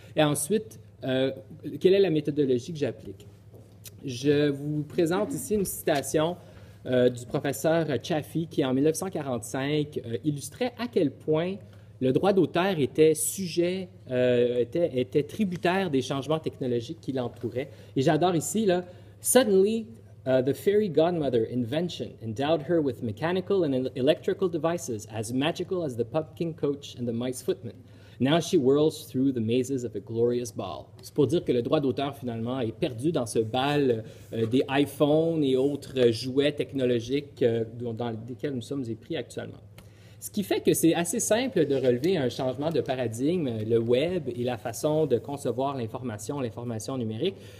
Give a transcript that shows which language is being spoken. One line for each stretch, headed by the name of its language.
French: Et ensuite, quelle est la méthodologie que j'applique. Je vous présente ici une citation du professeur Chaffee qui, en 1945, illustrait à quel point le droit d'auteur était sujet, était tributaire des changements technologiques qui l'entouraient. Et j'adore ici, là,
English: « Suddenly, the fairy godmother, invention, endowed her with mechanical and electrical devices as magical as the pumpkin coach and the mice footman. Now she whirls through the mazes of a glorious ball.
French: » C'est pour dire que le droit d'auteur, finalement, est perdu dans ce bal des iPhones et autres jouets technologiques dans lesquels nous sommes épris actuellement. Ce qui fait que c'est assez simple de relever un changement de paradigme, le web et la façon de concevoir l'information numérique.